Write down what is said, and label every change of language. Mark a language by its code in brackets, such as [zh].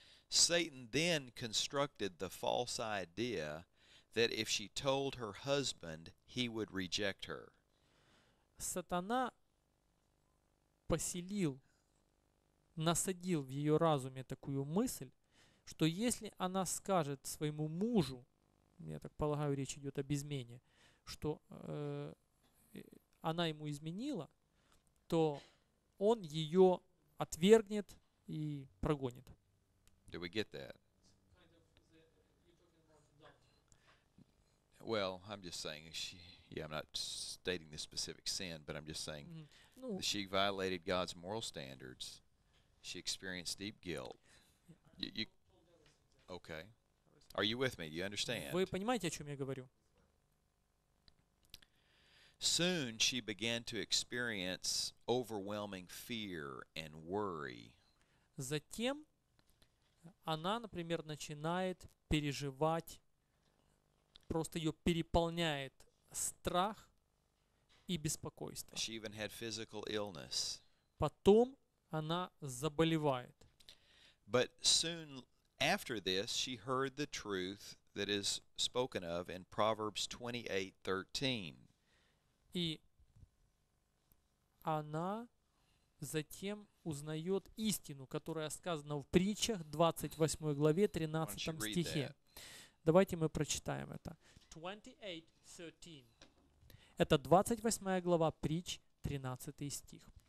[en] Satan then constructed the false idea that if she told her husband, he would reject her. [ru] сатана поселил, насадил в ее разуме такую мысль, что если она скажет своему мужу, я так полагаю, речь идет об измене, что она ему изменила, то он ее отвергнет и прогонит. [en] Do we get that? Well, I'm just saying, I'm not stating the specific sin, but I'm just saying she violated God's moral standards. She experienced deep guilt. Okay. Are you with me? Do you understand? [ru] Вы понимаете, о чем я говорю? [en] Soon she began to experience overwhelming fear and worry. [ru] Затем она, например, начинает переживать, просто ее переполняет страх и беспокойство. [en] She even had physical illness. [ru] Потом она заболевает. [en] But soon after this, she heard the truth that is spoken of in Proverbs 28:13. [ru] И она затем узнает истину, которая сказана в притчах 28 главе 13 стихе. Давайте мы прочитаем это. 28:13. Это 28 глава притч, 13 стих.